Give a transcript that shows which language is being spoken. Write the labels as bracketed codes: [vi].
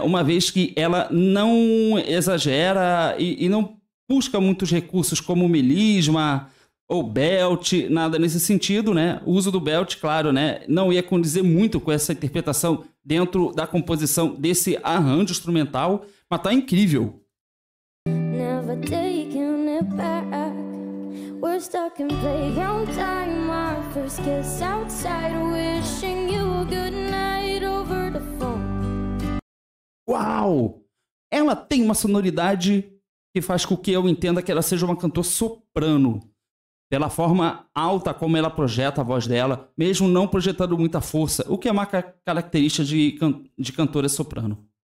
[pt] Uma vez que ela não exagera e não busca muitos recursos como melisma ou belt, nada nesse sentido, né? O uso do belt, claro, né? Não ia condizer muito com essa interpretação dentro da composição desse arranjo instrumental, mas tá incrível. [en] Never taking it back. We're stuck in playground time. My first kiss outside, wishing you a good night over the phone. Uau! [pt] Ela tem uma sonoridade que faz com que eu entenda que ela seja uma cantora soprano. Pela forma alta como ela projeta a voz dela, mesmo não projetando muita força, o que é uma característica de cantora soprano.